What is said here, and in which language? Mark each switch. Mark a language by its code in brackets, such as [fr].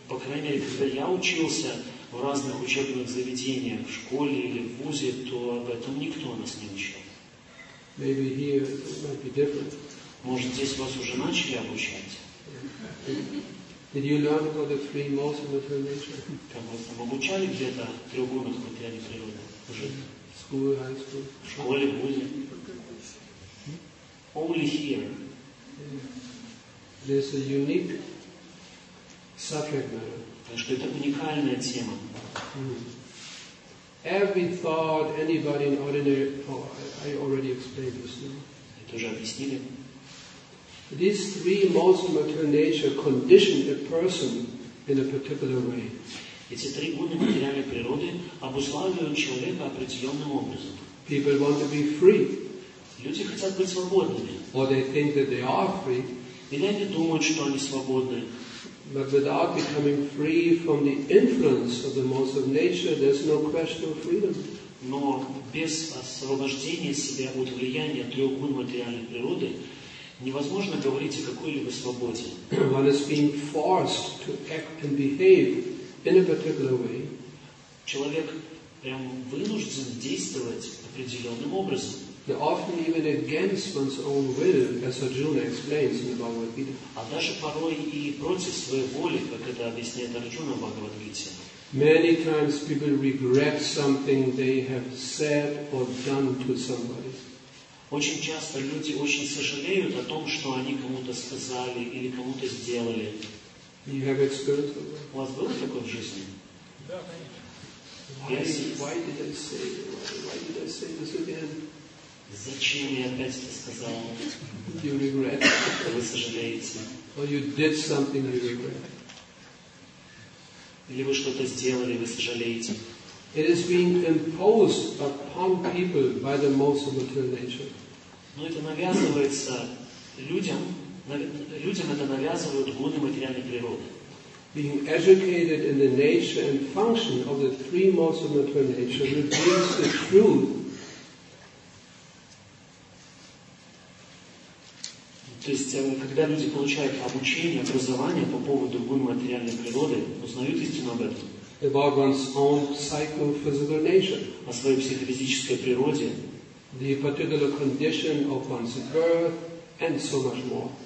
[ru] По крайней мере, когда я учился в разных учебных заведениях, в школе или в вузе, то об этом никто у нас не учил. [en] Maybe here it might be different. [ru] Может, здесь вас уже начали обучать? [en] Did you learn about the three modes of material nature? [ru] Там вас там обучали где-то трех гунах материальной природы уже? [en] School, high school. [ru] В школе, в вузе. [en] Only here. This is a unique subject matter. [ru] Так что это уникальная тема. [en] Every thought anybody in ordinary, I already explained this. [ru] Это уже объяснили. [en] These three modes of material nature condition a person in a particular way. [ru] Эти три гуны материальной природы обуславливают человека определенным образом. [en] People want to be free. [ru] Люди хотят быть свободными. [en] Or they think that they are free. [ru] Или они думают, что они свободны. [en] But without becoming free from the influence of the modes of nature, there's no question of freedom. [ru] Но без освобождения себя от влияния трех гун материальной природы невозможно говорить о какой-либо свободе. [en] One is being forced to act and behave in a particular way. [ru] Человек прям вынужден действовать определенным образом. [en] Often even against one's own will, as Arjuna explains in the Bhagavad Gita. [ru] А даже порой и против своей воли, как это объясняет Арджуна в Бхагавад-гите. [en] Many times people regret something they have said or done to somebody. [ru] Очень часто люди очень сожалеют о том, что они кому-то сказали или кому-то сделали. [en] You have experience with that? [ru] У вас было такое в жизни? Да, конечно. [en] Yes. Why did I say this again? [ru] Зачем я опять это сказал? [en] You regret. [ru] Вы сожалеете. [en] Or you did something you regret. [ru] Или вы что-то сделали, вы сожалеете. [en] It is being imposed upon people by the most material nature. [ru] Но это навязывается людям, людям это навязывают годы материальной природы. [en] Being educated in the nature and function of the three modes of material nature reveals the truth. [ru] То есть, когда люди получают обучение, образование по поводу гун материальной природы, узнают истину об этом. [en] About one's own psychophysical nature. [ru] О своей психофизической природе. [en] The particular condition of one's birth and so much more.